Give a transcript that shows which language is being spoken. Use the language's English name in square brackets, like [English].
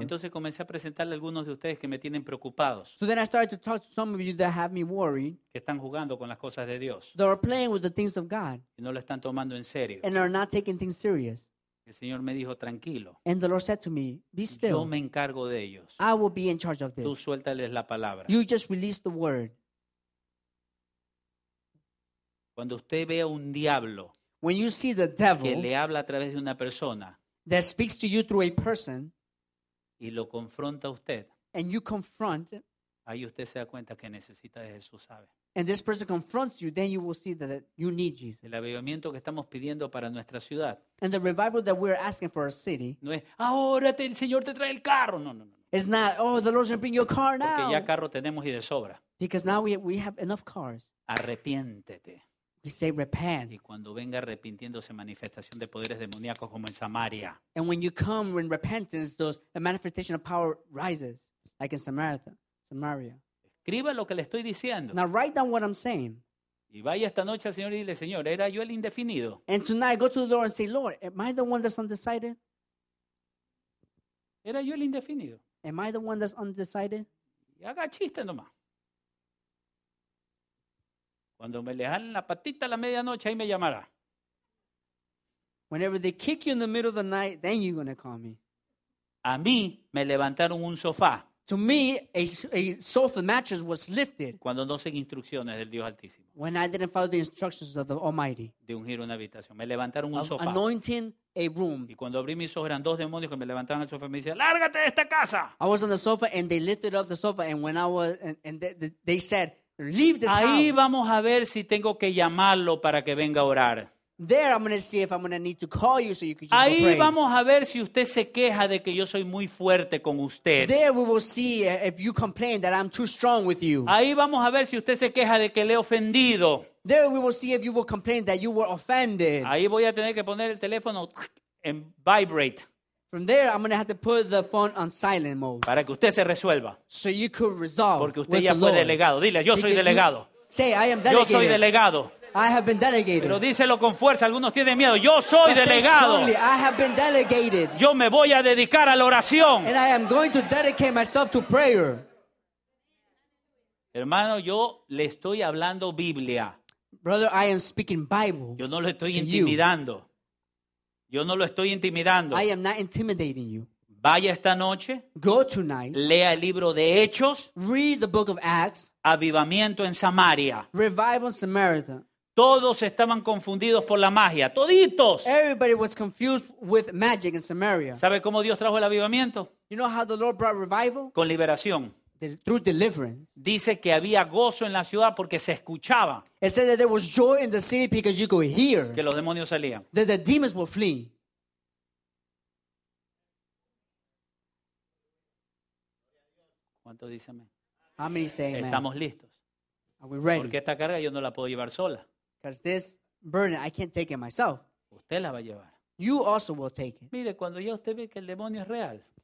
[Spanish] Entonces comencé a presentarle a algunos de ustedes que me tienen preocupados. [English] So then I started to talk to some of you that have me worried. [Spanish] Que están jugando con las cosas de Dios. [English] They are playing with the things of God. [Spanish] Y no lo están tomando en serio. [English] And are not taking things serious. [Spanish] El Señor me dijo, tranquilo. [English] And the Lord said to me, be still. [Spanish] Yo me encargo de ellos. [English] I will be in charge of this. [Spanish] Tú suéltales la palabra. [English] You just release the word. [Spanish] Cuando usted ve a un diablo, [English] when you see the devil, [Spanish] que le habla a través de una persona, [English] that speaks to you through a person, [Spanish] y lo confronta a usted, [English] and you confront, [Spanish] ahí usted se da cuenta que necesita de Jesús, ¿sabe? [English] And this person confronts you, then you will see that you need Jesus. [Spanish] El avivamiento que estamos pidiendo para nuestra ciudad. [English] And the revival that we're asking for our city. [Spanish] No es, ahora el Señor te trae el carro. No, no, no. [English] It's not, oh, the Lord's going to bring you a car now. [Spanish] Porque ya carro tenemos y de sobra. [English] Because now we have enough cars. [Spanish] Arrepiéntete. [English] We say repent. [Spanish] Y cuando venga arrepintiéndose manifestación de poderes demoníacos como en Samaria. [English] And when you come in repentance, a manifestation of power rises, like in Samaria. [Spanish] Escriba lo que le estoy diciendo. [English] Now write down what I'm saying. [Spanish] Y vaya esta noche al Señor y dile, Señor, ¿era yo el indefinido? [English] And tonight go to the Lord and say, Lord, am I the one that's undecided? [Spanish] ¿Era yo el indefinido? [English] Am I the one that's undecided? [Spanish] Y haga chiste nomás. Cuando me le jalen la patita a la medianoche, ahí me llamará. [English] Whenever they kick you in the middle of the night, then you're going to call me. [Spanish] A mí me levantaron un sofá. [English] To me, a sofa mattress was lifted. [Spanish] Cuando no seguí instrucciones del Dios Altísimo. [English] When I didn't follow the instructions of the Almighty. [Spanish] De ungir una habitación. Me levantaron un sofá. [English] Anointing a room. [Spanish] Y cuando abrí mis ojos eran dos demonios que me levantaron el sofá y me decían, ¡lárgate de esta casa! [English] I was on the sofa and they lifted up the sofa and when I was and they said, leave this [Spanish] ahí [English] house. [Spanish] Ahí vamos a ver si tengo que llamarlo para que venga a orar. [English] There I'm going to see if I'm going to need to call you so you can just [Spanish] ahí [English] go pray. [Spanish] Vamos a ver si usted se queja de que yo soy muy fuerte con usted. [English] There we will see if you complain that I'm too strong with you. [Spanish] Ahí vamos a ver si usted se queja de que le he ofendido. [English] There we will see if you will complain that you were offended. [Spanish] Ahí voy a tener que poner el teléfono en vibrate. [English] From there I'm going to have to put the phone on silent mode. [Spanish] Para que usted se resuelva. [English] So you could resolve. [Spanish] Porque usted ya fue delegado. Dile, yo [English] because [Spanish] soy delegado. [English] Say, I am delegated. [Spanish] Yo soy delegado. [English] I have been delegated. [Spanish] Pero díselo con fuerza, algunos tienen miedo. Yo soy [English] but [Spanish] delegado. [English] Say strongly, I have been delegated. [Spanish] Yo me voy a dedicar a la oración. [English] And I am going to dedicate myself to prayer. [Spanish] Hermano, yo le estoy hablando Biblia. [English] Brother, I am speaking Bible. [Spanish] Yo no lo estoy intimidando. [English] I am not intimidating you. [Spanish] Vaya esta noche. [English] Go tonight. [Spanish] Lea el libro de Hechos. [English] Read the book of Acts. [Spanish] Avivamiento en Samaria. [English] Revival in Samaria. [Spanish] Todos estaban confundidos por la magia. Toditos. [English] Everybody was confused with magic in Samaria. [Spanish] ¿Sabe cómo Dios trajo el avivamiento? [English] You know how the Lord brought revival? [Spanish] Con liberación. [English] Through deliverance. [Spanish] Dice que había gozo en la ciudad porque se escuchaba. [English] It said that there was joy in the city because you could hear. [Spanish] Que los demonios salían. [English] That the demons would flee. [Spanish] ¿Cuántos dicen amén? [English] How many say amen? [Spanish] Estamos listos. [English] Are we ready? [Spanish] Porque esta carga yo no la puedo llevar sola. [English] Because this burden, I can't take it myself. [Spanish] Usted la va a llevar. [English] You also will take it. [Spanish] Mire, cuando ya usted ve que el demonio es real.